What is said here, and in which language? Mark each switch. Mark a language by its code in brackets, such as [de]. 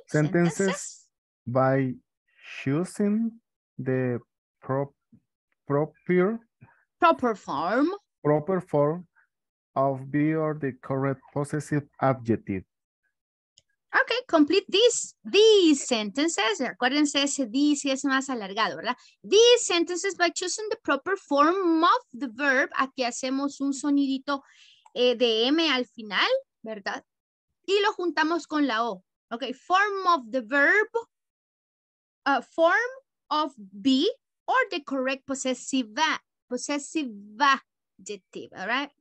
[en] Sentences by choosing the proper form of be or the correct possessive adjective. Okay, complete these sentences. [es] Acuérdense, ese these es más alargado, ¿verdad? [en] These sentences by choosing the proper form of the verb. [es] Aquí hacemos un sonidito de M al final, ¿verdad? Y lo juntamos con la O. [en] Okay, form of the verb, form of be, or the correct possessive adjective, all right?